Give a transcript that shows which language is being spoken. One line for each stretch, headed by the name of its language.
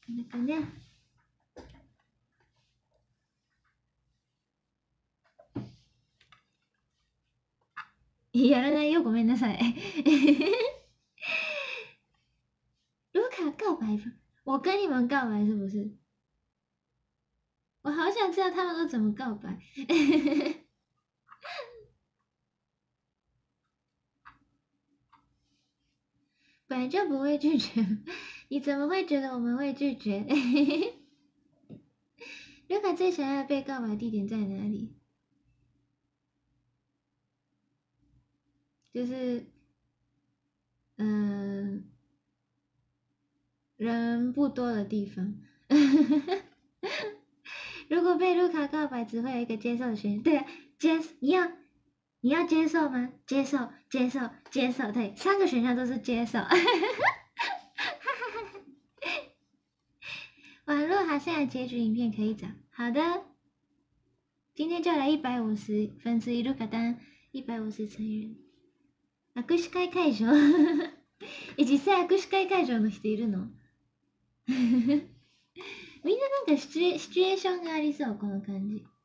Chinese: 等等，
Japanese: やらないよ、ごめんなさい。
Chinese: 卢 卡告白，我跟你们告白是不是？我好想知道他们都怎么告白。本来就不会拒绝，你怎么会觉得我们会拒绝？卢 卡最想要被告白地点在哪里？就是，人不多的地方。如果被卢卡告白，只会有一个接受的权利。对啊，接受一样。你要接受吗？接受，接受，接受，对，三个选项都是接受。网络好像有结局影片可以找。好的，今天就来150分之一，卢卡当150成员。
Japanese: 握手会会場。え、実際握手会会場の人いるの？みんななんかシチュエーションがありそう、この感じ。